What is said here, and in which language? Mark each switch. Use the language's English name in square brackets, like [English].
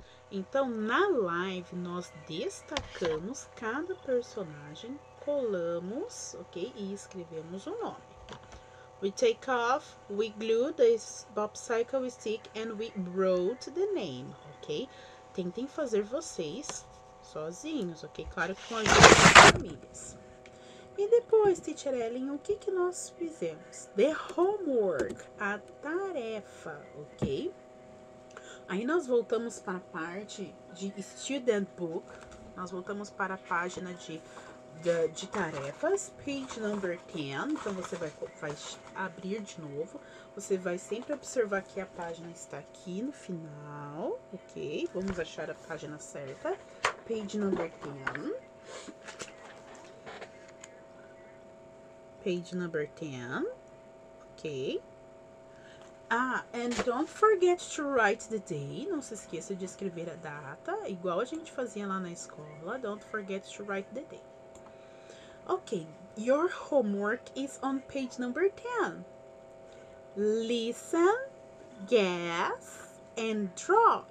[Portuguese] Então, na live, nós destacamos cada personagem, colamos, ok? E escrevemos o nome. [English] We take off, we glue this popsicle stick and we wrote the name, ok? [Portuguese] Tentem fazer vocês sozinhos, ok? Claro que com as suas famílias. E depois, Teacher Ellen, o que, que nós fizemos? [English] The homework, [Portuguese] a tarefa, ok? Aí, nós voltamos para a parte de student book. Nós voltamos para a página de de tarefas, [English] page number 10. [Portuguese] Então, você vai abrir de novo. Você vai sempre observar que a página está aqui no final, ok? Vamos achar a página certa. [English] Page number 10. Page number 10. Ok. Ah, and don't forget to write the day. [Portuguese] Não se esqueça de escrever a data, igual a gente fazia lá na escola. [English] Don't forget to write the day. Ok, your homework is on page number 10. Listen, guess, and draw.